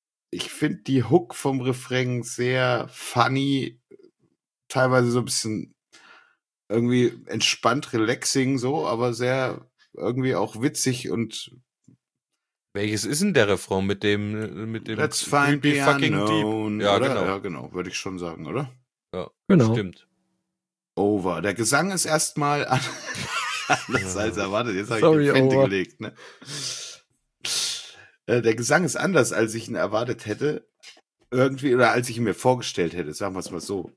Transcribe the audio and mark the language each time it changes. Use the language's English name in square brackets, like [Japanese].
[German] Ich finde die Hook vom Refrain sehr funny, teilweise so ein bisschen irgendwie entspannt, relaxing so, aber sehr irgendwie auch witzig. Und welches ist denn der Refrain mit dem [English] Let's find the fucking unknown, deep? [German] Ja, genau, würde ich schon sagen, oder? Ja, genau. Stimmt. [English] Over. [German] Der Gesang ist erstmal anders als erwartet. Jetzt habe ich die Fente gelegt. Ne? Der Gesang ist anders, als ich ihn erwartet hätte. Irgendwie, oder als ich ihn mir vorgestellt hätte. Sagen wir es mal so.